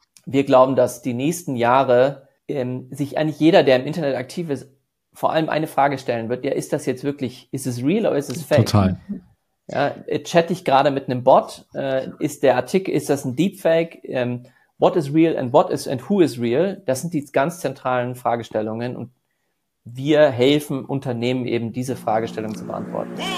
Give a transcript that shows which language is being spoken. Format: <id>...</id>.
<de>Wir glauben, dass die nächsten Jahre sich eigentlich jeder, der im Internet aktiv ist, vor allem eine Frage stellen wird, ja, ist das jetzt wirklich, ist es real oder ist es fake? Total. Ja, chatte ich gerade mit einem Bot, ist der Artikel, ist das ein Deepfake?</de> <en>What is real and what is and who is real?</en> <de>Das sind die ganz zentralen Fragestellungen und wir helfen Unternehmen eben, diese Fragestellung zu beantworten.</de>